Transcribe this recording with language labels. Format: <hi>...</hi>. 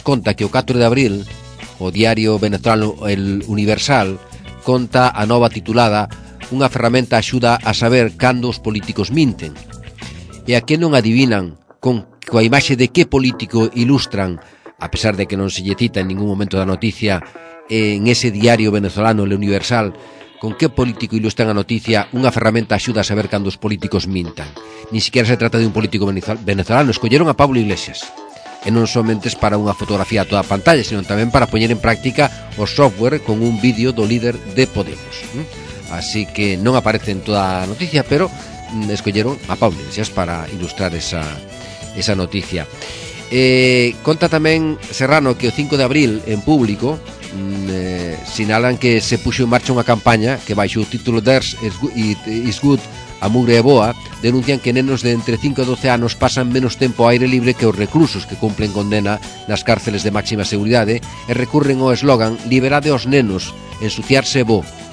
<gl>Conta que o 4 de abril o diario venezolano El Universal conta a nova titulada Unha ferramenta axuda a saber cando os políticos minten. E a que non adivinan coa imaxe de que político ilustran, a pesar de que non se lle cita en ningún momento da noticia en ese diario venezolano El Universal, con que político ilustran a noticia unha ferramenta axuda a saber cando os políticos mintan.</gl> <es>Ni siquiera se trata de un político venezolano,</es> <gl>escolleron a Pablo Iglesias. E non somente para unha fotografía a toda a pantalla, sino tamén para poñer en práctica o software con un vídeo do líder de Podemos. Así que non aparece en toda a noticia, pero escolleron a Pablo Iglesias para ilustrar esa noticia. Conta tamén Serrano que o 5 de abril en Público sinalan que se puxo en marcha unha campaña que baixo o título</gl> <en>Ders is good,</en> <gl>a mugre é boa. Denuncian que nenos de entre 5 e 12 anos pasan menos tempo ao aire libre que os reclusos que cumplen condena nas cárceles de máxima seguridade e recurren ao eslogan Liberade os nenos, ensuciarse bo.</gl>